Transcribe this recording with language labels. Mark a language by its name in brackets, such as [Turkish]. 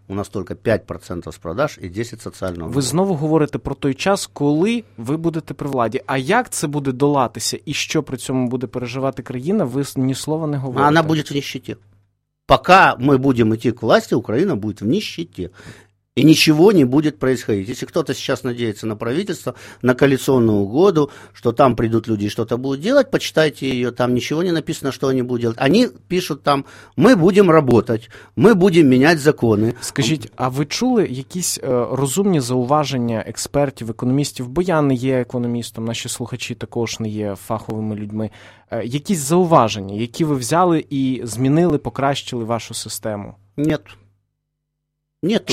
[Russian] У нас только 5% с продаж и 10% социального. [Ukrainian] Ви знову говорите про той час, коли ви будете при владі. А як це буде долатися і що при цьому буде переживати країна, ви ні слова не говорите. Вона буде в нищете. Поки ми будемо йти к власті, Україна буде в нищете. [Russian] И ничего не будет происходить. Если кто-то сейчас надеется на правительство, на коалиционную угоду, что там придут люди и что-то будут делать, почитайте ее, там ничего не написано, что они будут делать. Они пишут там, мы будем работать, мы будем менять законы. [Ukrainian] Скажите, а вы чули якісь розумні зауваження експертів, економістів, бо я не є економістом, наші слухачі також не є фаховими людьми, якісь зауваження, які ви взяли і змінили, покращили вашу систему? [Russian] Нет. Нету.